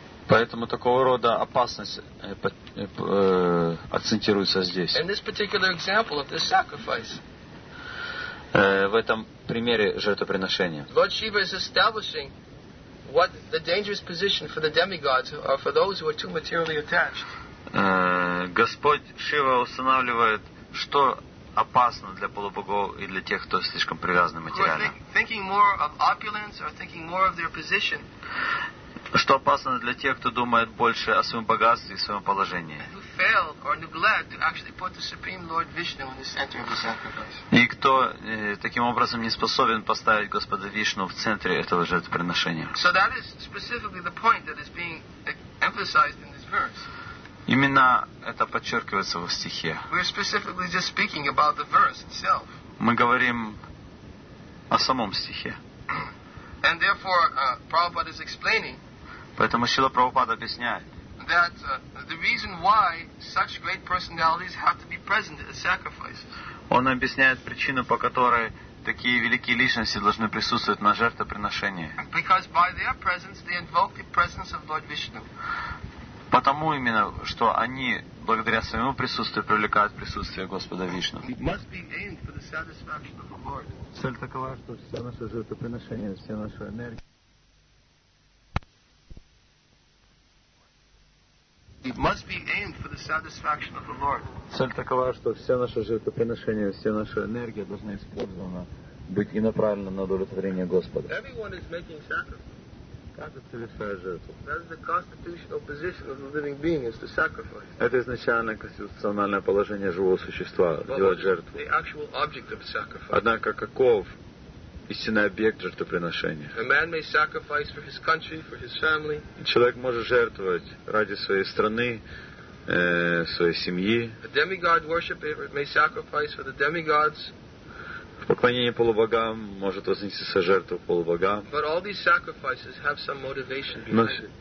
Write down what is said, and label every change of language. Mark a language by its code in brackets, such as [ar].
[ru] Поэтому такого рода опасность акцентируется здесь. [en] In this particular example of this sacrifice. [ru] В этом примере жертвоприношения. [en] Lord Shiva is establishing what the dangerous position for the demigods or for those who are too materially attached. [ru] Господь Шива устанавливает, что опасно для полубогов и для тех, кто слишком привязан материально. [en] Thinking more of opulence or thinking more of their position. [ru] Что опасно для тех, кто думает больше о своем богатстве и своем положении. [en] And who fail or neglect to actually put the Supreme Lord Vishnu in the center of the sacrifice. [ru] И кто таким образом не способен поставить Господа Вишну в центре этого жертвоприношения. [en] So that is specifically the point that is being emphasized in this verse. [ru] Именно это подчеркивается в стихе. [en] We are specifically just speaking about the verse itself. [ru] Мы говорим о самом стихе. [en] And therefore, Prabhupada is explaining. [ru] Поэтому Шрила Прабхупада объясняет, [en] that the reason why such great personalities have to be present at the sacrifice. [ru] Он объясняет причину, по которой такие великие личности должны присутствовать на жертвоприношении. [en] Because by their presence they invoke the presence of Lord Vishnu. [ru] Потому именно, что они благодаря своему присутствию привлекают присутствие Господа Вишну. [en] Must be aimed for the satisfaction of the Lord. [ru] Цель такова, что все наше жертвоприношение, все наша энергия. [en] It must be aimed for the satisfaction of the Lord. [ru] Цель такова, что все наше жертвоприношение, все наша энергия должна использована быть и направлена на удовлетворение Господа. [en] Everyone is making sacrifice. That is the constitutional position of the living being is to sacrifice. [ru] Это изначальное конституциональное положение живого существа делать жертву. [en] The actual object of sacrifice. [ru] Однако каков истинный объект жертвоприношения. [en] A man may sacrifice for his country, for his family. [ru] Человек может жертвовать ради своей страны, своей семьи. [en] A demigod worshiper may sacrifice for the demigods. [ru] В поклонении полубогам может вознестись жертву полубогам. [en] But all these sacrifices have some motivation behind it.